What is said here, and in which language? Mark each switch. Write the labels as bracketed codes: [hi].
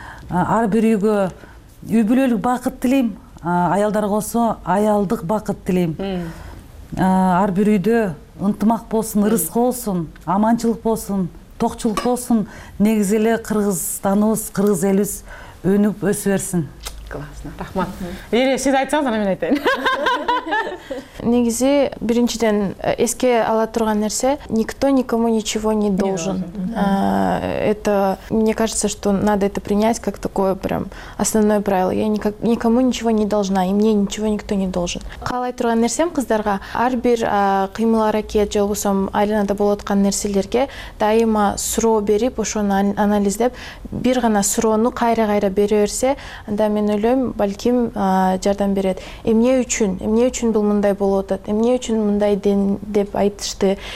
[ky] Ар бир үйгө үй бүлөлүк бакыт тилейм, аялдар болсо аялдык бакыт тилейм. Ар бир үйдө ынтымак болсун, ырыск болсун, аманчылык болсун, токчулук болсун. Негизи эле кыргызстаныбыз, кыргыз элибиз өнүп өсө берсин. Классно, рахмат. Эле сиз айтсаңыз, анан мен айтайын. Негизи биринчиден эске ала турган нерсе, [ru] никто никому ничего не должен. Это, мне кажется, что надо это принять как такое прям основное правило. Я никому ничего не должна, и мне ничего никто не должен. [ky] Каалай турган нерсем кыздарга, ар бир кыймыл аракет же болсо айланада болуп аткан нерселерге дайыма суроо берип, ошону анализдеп, бир гана суроону кайра-кайра бере берсе, анда мен ойлойм, балким жардам берет. Эмне үчүн? Эмне үчүн бул мындай болуп атат? Эмне үчүн мындай деп айтышты?